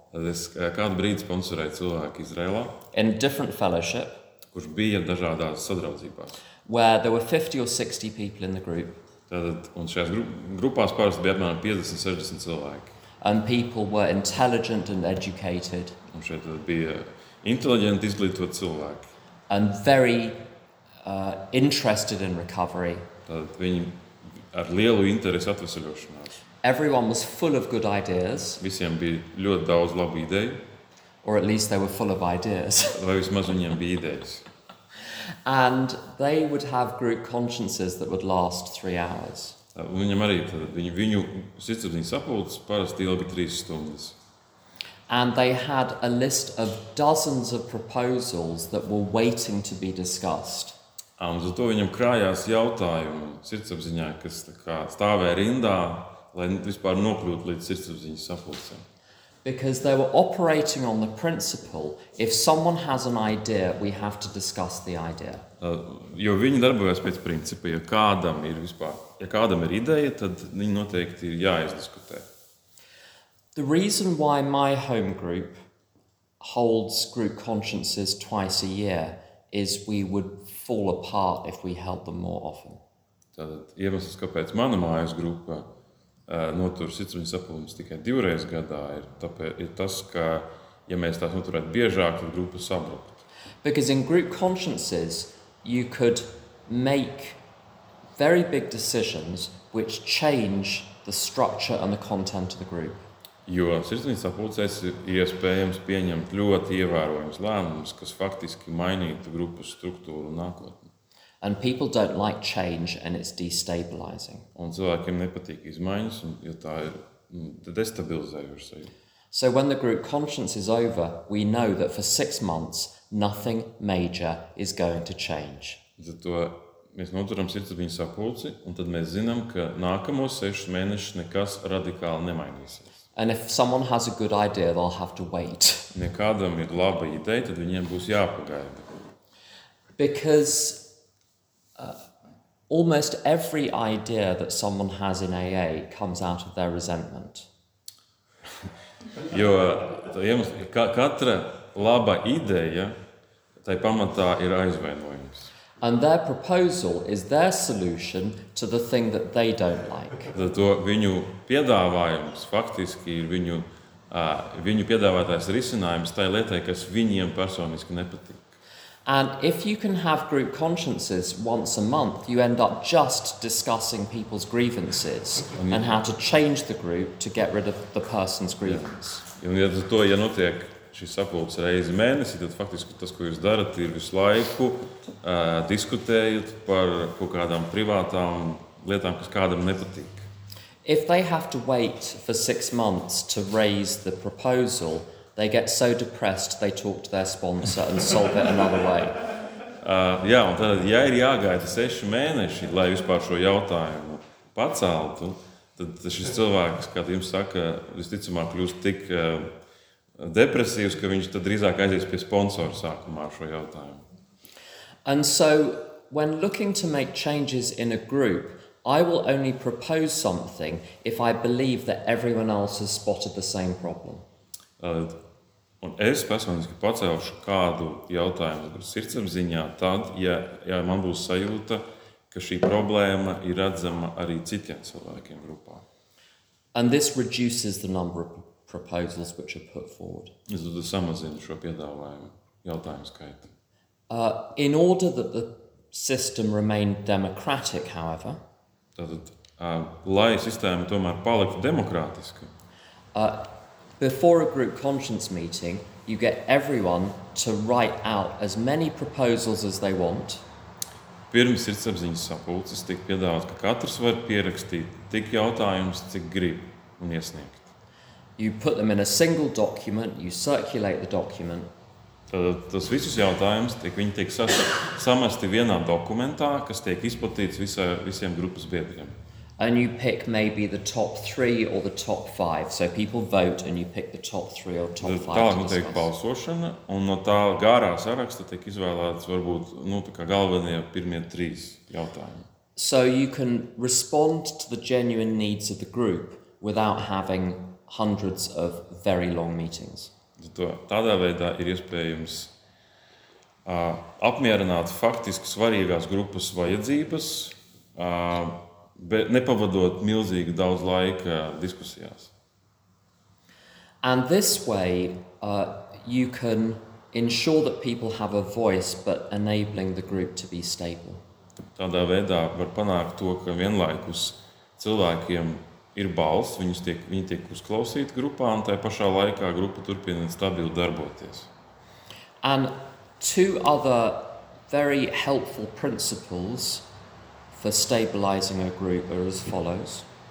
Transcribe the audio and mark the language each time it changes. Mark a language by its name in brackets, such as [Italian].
[Latvian] Es kādu brīdi sponsorēju cilvēku Izraēlā. [English] In a different fellowship. [Latvian] Kurš bija dažādās sadraudzībās. [English] Where there were 50 or 60 people in the group. [Latvian] Tātad, un šajās grupās parasti bija apmēram 50-60 cilvēki. [English] And people were intelligent and educated. [Latvian] Un šeit tad bija inteligenti, izglītoti cilvēki. [English] And very interested in recovery. [Latvian] Tātad viņi ar lielu interesi atvesaļošanās. [English] Everyone was full of good ideas. [Latvian] Visiem bija ļoti daudz labu ideju. [English] Or at least they were full of ideas. [Latvian] Vai vismaz viņiem bija idejas. [English] And they would have group consciences that would last 3 hours. [Latvian] Viņam arī tad viņu sirdsapziņas sapulces parasti ilgi 3 stundas. [English] And they had a list of dozens of proposals that were waiting to be discussed. [Latvian] Un to viņam krājās jautājumi sirdsapziņā, kas tā kā stāvēja rindā, lai vispār nokļūtu līdz sirdsapziņas sapulcēm. [English] Because they were operating on the principle, if someone has an idea, we have to discuss the idea. [Latvian] Jo viņi darbojas pēc principa, ja kādam ir vispār, ja kādam ir ideja, tad viņi noteikti ir jāizdiskutē. [English] The reason why my home group holds group consciences twice a year is we would fall apart if we held them more often. [Latvian] Tātad iemesls, kāpēc mana mājas grupa notur sirdsapziņas sapulces tikai divreiz gadā, ir tas, ka ja mēs tās noturētu biežāk, tad grupa sabruktu. [English] Because in group consciences you could make very big decisions which change the structure and the content of the group. [Latvian] Jo sirdsapziņas sapulces ir iespējams pieņemt ļoti ievērojams lēmums, kas faktiski mainītu grupas struktūru un nākotni. [English] And people don't like change and it's destabilizing. [Latvian] Un cilvēkiem nepatīk izmaiņas, jo tā ir destabilizējoša. [English] So when the group conscience is over, we know that for 6 months nothing major is going to change. [Russian] Zato [Latvian] mēs noturam sirdsapziņas sapulci un tad mēs zinām, ka nākamos 6 mēnešus nekas radikāli nemainīsies. [English] And if someone has a good idea, they'll have to wait. [Latvian] Ja kādam ir laba ideja, tad viņiem būs jāpagaida. [English] Because almost every idea that someone has in AA comes out of their resentment. [Latvian] Jo katra laba ideja, tai pamatā ir aizvainojums. [English] And their proposal is their solution to the thing that they don't like. [Latvian] To viņu piedāvājums faktiski ir viņu piedāvātais risinājums tai lietai, kas viņiem personiski nepatīk. [English] And if you can have group consciences once a month, you end up just discussing people's grievances and how to change the group to get rid of the person's grievance. [Latvian] Un ja to, ja notiek šī sapulce reizi mēnesī, tad faktiski tas, ko jūs darat, ir visu laiku diskutējot par kaut kādām privātām lietām, kas kādam nepatīk. [English] If they have to wait for 6 months to raise the proposal, they get so depressed they talk to their sponsor and solve it another way. [Latvian] Jā, un tad, ja ir jāgaida 6 mēneši, lai vispār šo jautājumu paceltu, tad šis cilvēks, kā jums saka, visticamāk kļūst tik depresīvs, ka viņš tad drīzāk aizies pie sponsora sākumā šo jautājumu. [English] And so, when looking to make changes in a group, I will only propose something if I believe that everyone else has spotted the same problem. [Latvian] Un es personiski pacelšu kādu jautājumu sirdsapziņā tad, ja man būs sajūta, ka šī problēma ir redzama arī citiem cilvēkiem grupā. [English] And this reduces the number of proposals which are put forward. [Latvian] Es tad samazinu šo piedāvājumu jautājumu skaitu. [English] In order that the system remained democratic, however, [Latvian] tātad, lai sistēma tomēr paliktu demokrātiska, [English] before a group conscience meeting, you get everyone to write out as many proposals as they want. [Latvian] Pirms sirdsapziņas sapulces tika piedāvāts, ka katrs var pierakstīt tik jautājumus, cik grib un iesniegt. [English] You put them in a single document, you circulate the document. [Latvian] Tātad tos visus jautājumus tiek samesti vienā dokumentā, kas tiek izplatīts visiem grupas biedriem. [English] And you pick maybe the top 3 or the top 5. So people vote and you pick the top 3 or top 5. [Latvian] Tā notiek balsošana, un no tā garā saraksta tiek izvēlētas varbūt, nu, tā kā galvenie pirmie 3 jautājumi. [English] So you can respond to the genuine needs of the group without having hundreds of very long meetings. [Latvian] Tādā veidā ir iespējams apmierināt faktiski svarīgās grupas vajadzības, bet nepavadot milzīgi daudz laika diskusijās. [English] And this way you can ensure that people have a voice but enabling the group to be stable. [Latvian] Tādā veidā var panākt to, ka vienlaikus cilvēkiem ir balss, viņi tiek uzklausīti grupā un tajā pašā laikā grupa turpina stabili darboties. [English] And two other very helpful principles for stabilizing a group are as follows.